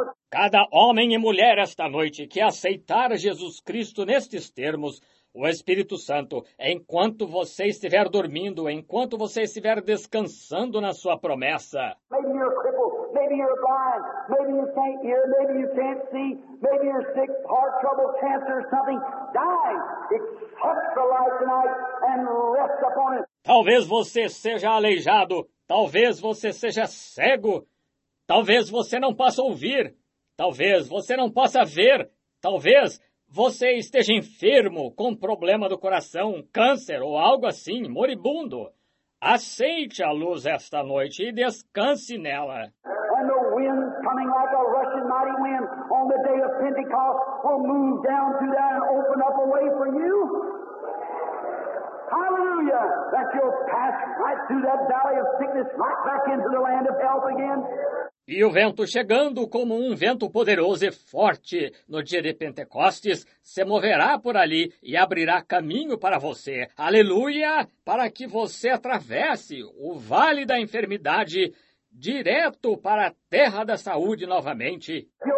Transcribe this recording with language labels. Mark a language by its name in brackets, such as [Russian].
[Portuguese] Cada homem e mulher esta noite que aceitar Jesus Cristo nestes termos, o Espírito Santo, enquanto você estiver dormindo, enquanto você estiver descansando na sua promessa. [English] Maybe you're crippled, maybe you're blind, maybe you can't hear, maybe you can't see, maybe you're sick, heart trouble, cancer, something. Die! Accept the light tonight and rest upon it. [Portuguese] Talvez você seja aleijado, talvez você seja cego, talvez você não possa ouvir, talvez você não possa ver, talvez você esteja enfermo, com problema do coração, câncer ou algo assim, moribundo. Aceite a luz esta noite e descanse nela. [English] And the wind coming like a rushing mighty wind on the day of Pentecost will move down to that and open up a way for you. Hallelujah! That you'll pass right through that valley of sickness right back into the land of health again. [Portuguese] E o vento chegando como um vento poderoso e forte no dia de Pentecostes se moverá por ali e abrirá caminho para você, aleluia, para que você atravesse o vale da enfermidade direto para a terra da saúde novamente.